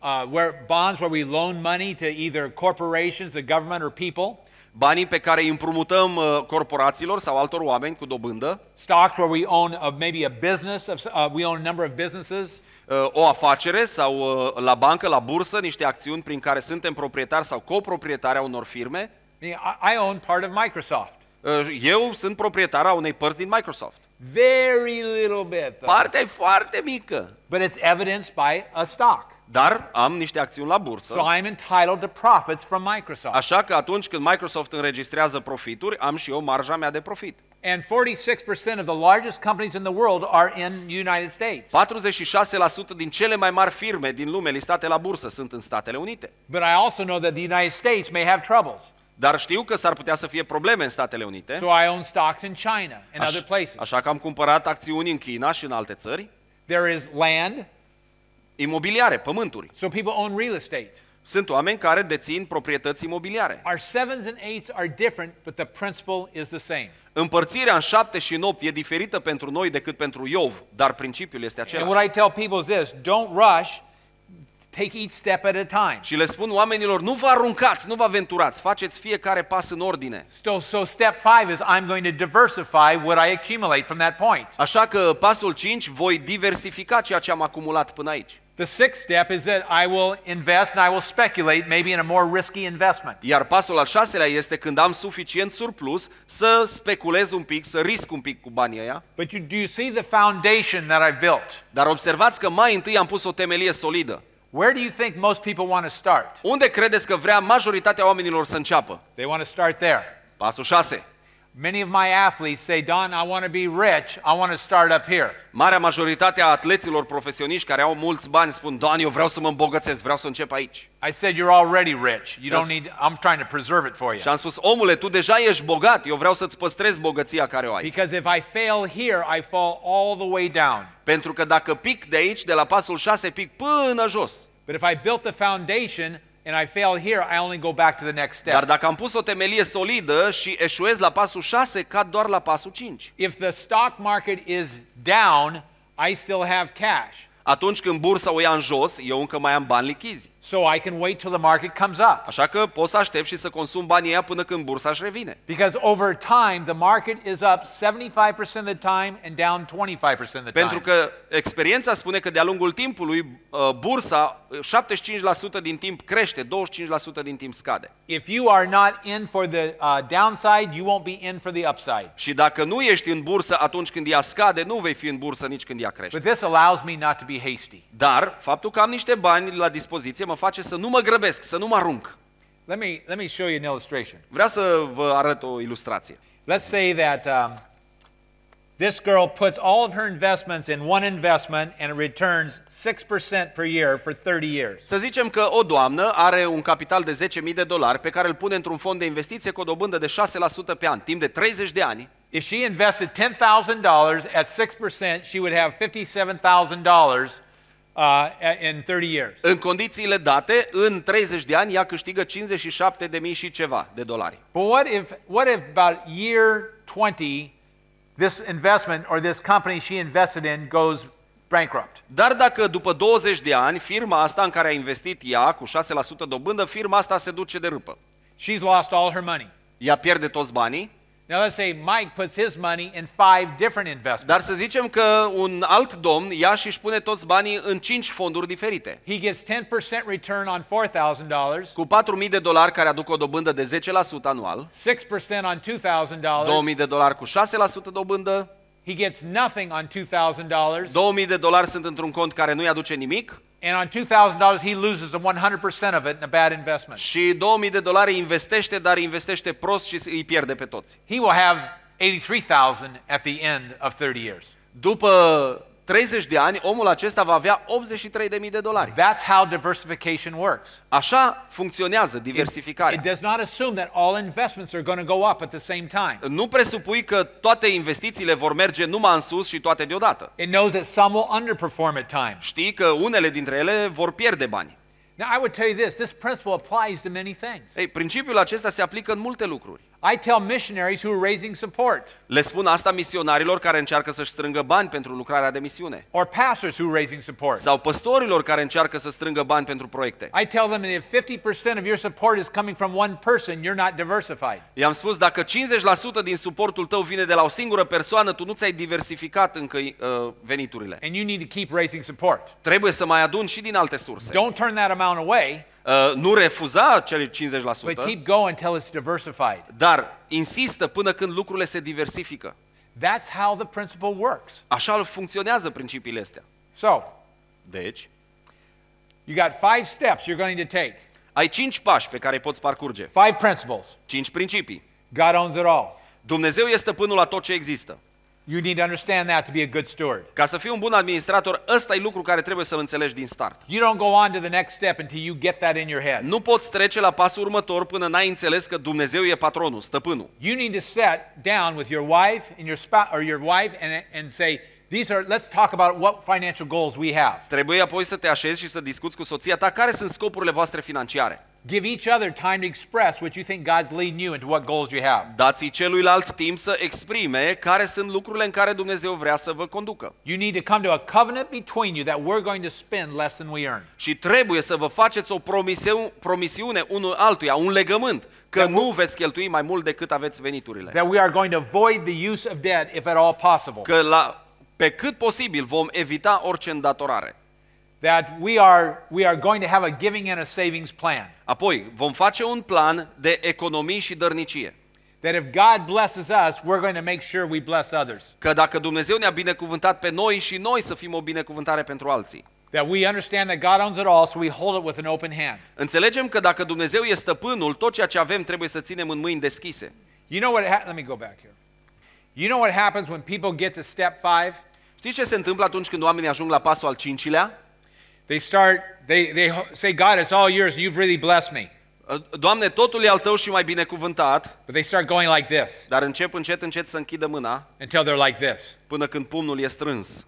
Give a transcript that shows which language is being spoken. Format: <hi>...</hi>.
<en>Where bonds where we loan money to either corporations, the government or people.</en> <ro>Banii pe care îi împrumutăm corporațiilor sau altor oameni cu dobândă.</ro> <en>Stocks where we own maybe a business of we own a number of businesses.</en> <ro>O afacere sau la bancă, la bursă, niște acțiuni prin care suntem proprietari sau coproprietari a unor firme.</ro> <en>I own part of Microsoft.</en> <ro>Eu sunt proprietar a unei părți din Microsoft.</ro> <en>Very little bit.</en> <ro>Partea e foarte mică.</ro> <en>But it's evidenced by a stock.</en> <ro>Dar am niște acțiuni la bursă.</ro> <en>So I'm entitled to profits from Microsoft.</en> <ro>Așa că atunci când Microsoft înregistrează profituri, am și eu marja mea de profit.</ro> <en>And 46% of the largest companies in the world are in the United States.</en> <ro>46% din cele mai mari firme din lume listate la bursă sunt în Statele Unite.</ro> <en>But I also know that the United States may have troubles.</en> <ro>Dar știu că s-ar putea să fie probleme în Statele Unite.</ro> <en>So I own stocks in China and other places.</en> <ro>Așa că am cumpărat acțiuni în China și în alte țări.</ro> <en>There is land.</en> <ro>Imobiliare, pământuri.</ro> <en>So people own real estate.</en> <ro>Sunt oameni care dețin proprietăți imobiliare.</ro> <en>Our sevens and eights are different, but the principle is the same.</en> <ro>Împărțirea în șapte și în opt e diferită pentru noi decât pentru Iov, dar principiul este același.</ro> <en>And what I tell people is this, don't rush, take each step at a time.</en> <ro>Și le spun oamenilor, nu vă aruncați, nu vă aventurați, faceți fiecare pas în ordine.</ro> <en>So step 5 is I'm going to diversify what I accumulate from that point.</en> <ro>Așa că pasul 5, voi diversifica ceea ce am acumulat până aici.</ro> <en>The sixth step is that I will invest and I will speculate maybe in a more risky investment.</en> <ro>Iar pasul al șaselea este când am suficient surplus să speculez un pic, să risc un pic cu banii ăia.</ro> <en>But do you see the foundation that I've built?</en> <ro>Dar observați că mai întâi am pus o temelie solidă.</ro> <en>Where do you think most people want to start?</en> <ro>Unde credeți că vrea majoritatea oamenilor să înceapă?</ro> <en>They want to start there.</en> <ro>Pasul 6.</ro> <en>Many of my athletes say, "Don, I want to be rich. I want to start up here."</en> <ro>Marea majoritate a atleților profesioniști care au mulți bani spun, "Don, eu vreau să mă îmbogățesc, vreau să încep aici."</ro> <en>I said, "You're already rich. You don't need I'm trying to preserve it for you."</en> <ro>Și am spus, "Omule, tu deja ești bogat. Eu vreau să-ți păstrez bogăția care o ai."</ro> <en>Because if I fail here, I fall all the way down.</en> <ro>Pentru că dacă pic de aici, de la pasul 6, pic până jos.</ro> <en>But if I built the foundation and I fail here, I only go back to the next step.</en> <ro>Dar dacă am pus o temelie solidă și eșuez la pasul 6, cad doar la pasul 5.</ro> <en>If the stock market is down, I still have cash.</en> <ro>Atunci când bursa o ia în jos, eu încă mai am bani lichizi.</ro> <en>So I can wait till the market comes up.</en> <ro>Așa că pot să aștept și să consum banii ăia până când bursa își revine.</ro> <en>Because over time the market is up 75% of the time and down 25% of the time.</en> <ro>Pentru că experiența spune că de-a lungul timpului bursa 75% din timp crește, 25% din timp scade.</ro> <en>If you are not in for the downside, you won't be in for the upside.</en> <ro>Și dacă nu ești în bursă atunci când ea scade, nu vei fi în bursă nici când ea crește.</ro> <en>But this allows me not to be hasty.</en> <ro>Dar faptul că am niște bani la dispoziție mă face să nu mă grăbesc, să nu mă arunc.</ro> <en>Let me show you an illustration.</en> <ro>Vreau să vă arăt o ilustrație.</ro> <en>Let's say that This girl puts all of her investments in one investment and it returns 6% per year for 30 years.</en> <ro>Să zicem că o doamnă are un capital de 10.000 de dolari pe care îl pune într-un fond de investiție cu o dobândă de 6% pe an, timp de 30 de ani.</ro> <en>If she invested $10,000 at 6%, she would have $57,000 in 30 years.</en> <ro>În condițiile date, în 30 de ani, ea câștigă 57.000 și ceva de dolari.</ro> <en>But what if about year 20 this investment or this company she invested in goes bankrupt?</en> <ro>Dar dacă după 20 de ani firma asta în care a investit ea cu 6% dobândă, firma asta se duce de râpă.</ro> <en>She's lost all her money.</en> <ro>Ea pierde toți banii.</ro> <en>Now let's say Mike puts his money in 5 different investments.</en> <ro>Dar să zicem că un alt domn ia și își pune toți banii în 5 fonduri diferite.</ro> <en>He gets 10% return on $4,000.</en> <ro>Cu 4.000 de dolari care aduc o dobândă de 10% anual.</ro> <en>6% on $2,000.</en> <ro>2.000 de dolari cu 6% dobândă.</ro> <en>He gets nothing on $2,000.</en> <ro>2.000 de dolari sunt într-un cont care nu-i aduce nimic.</ro> <en>And on $2,000 he loses 100% of it in a bad investment.</en> <ro>Și 2000 de dolari investește, dar investește prost și îi pierde pe toți.</ro> <en>He will have 83,000 at the end of 30 years.</en> <ro>După 30 de ani, omul acesta va avea 83.000 de dolari.</ro> <en>That's how diversification works.</en> <ro>Așa funcționează diversificarea.</ro> <en>It does not assume that all investments are going to go up at the same time.</en> <ro>Nu presupui că toate investițiile vor merge numai în sus și toate deodată.</ro> <en>It knows that some will underperform at times.</en> <ro>Știi că unele dintre ele vor pierde bani.</ro> <en>Now I would tell you this, this principle applies to many things.</en> <ro>Ei, principiul acesta se aplică în multe lucruri.</ro> <en>I tell missionaries who are raising support.</en> <ro>Le spun asta misionarilor care încearcă să-și strângă bani pentru lucrarea de misiune.</ro> <en>Or pastors who are raising support.</en> <ro>Sau păstorilor care încearcă să strângă bani pentru proiecte.</ro> <en>I tell them that if 50% of your support is coming from one person, you're not diversified.</en> <ro>I-am spus dacă 50% din suportul tău vine de la o singură persoană, tu nu ți-ai diversificat încă veniturile.</ro> <en>And you need to keep raising support.</en> <ro>Trebuie să mai adun și din alte surse.</ro> <en>Don't turn that amount away.</en> <ro>Nu refuza cele 50%.</ro> <en>But keep going until it's diversified.</en> <ro>Dar insistă până când lucrurile se diversifică.</ro> <en>That's how the principle works.</en> <ro>Așa funcționează principiile astea.</ro> <en>So,</en> <ro>deci,</ro> <en>you got 5 steps you're going to take.</en> <ro>Ai 5 pași pe care poți parcurge.</ro> <en>5 principles.</en> <ro>5 principii.</ro> <en>God owns it all.</en> <ro>Dumnezeu este stăpânul la tot ce există.</ro> <en>You need to understand that to be a good steward.</en> <ro>Ca să fii un bun administrator, ăsta e lucru care trebuie să înțelegi din start.</ro> <en>You don't go on to the next step until you get that in your head.</en> <ro>Nu poți trece la pasul următor până n-ai înțeles că Dumnezeu e patronul, stăpânul.</ro> <en>You need to sit down with your wife and your spouse or your wife and say, "These are, let's talk about what financial goals we have."</en> <ro>Trebuie apoi să te așezi și să discuți cu soția ta care sunt scopurile voastre financiare.</ro> <en>Give each other time to express what you think God's leading you into what goals you have.</en> <ro>Dați celuilalt timp să exprime care sunt lucrurile în care Dumnezeu vrea să vă conducă.</ro> <en>You need to come to a covenant between you that we're going to spend less than we earn.</en> <ro>Și trebuie să vă faceți o promisiune unul altuia, un legământ, că nu veți cheltui mai mult decât aveți veniturile.</ro> <en>That we are going to avoid the use of debt if at all possible.</en> <ro>Că pe cât posibil vom evita orice îndatorare.</ro> <en>That we are going to have a giving and a savings plan.</en> <ro>Apoi vom face un plan de economii și dărnicie.</ro> <en>That if God blesses us, we're going to make sure we bless others.</en> <ro>Că dacă Dumnezeu ne-a binecuvântat pe noi și noi să fim o binecuvântare pentru alții.</ro> <en>That we understand that God owns it all, so we hold it with an open hand.</en> <ro>Înțelegem că dacă Dumnezeu e stăpânul, tot ceea ce avem trebuie să ținem în mâini deschise.</ro> <en>You know what happens? Let me go back here. You know what happens when people get to step 5?</en> <ro>Știi ce se întâmplă atunci când oamenii ajung la pasul al cincilea?</ro> <en>They say, "God, it's all yours. You've really blessed me."</en> <ro>Doamne, totul e al tău și m-ai binecuvântat.</ro> <en>But they start going like this.</en> <ro>Dar încep încet să închidă mâna.</ro> <en>Until they're like this.</en> <ro>Până când pumnul e strâns.</ro>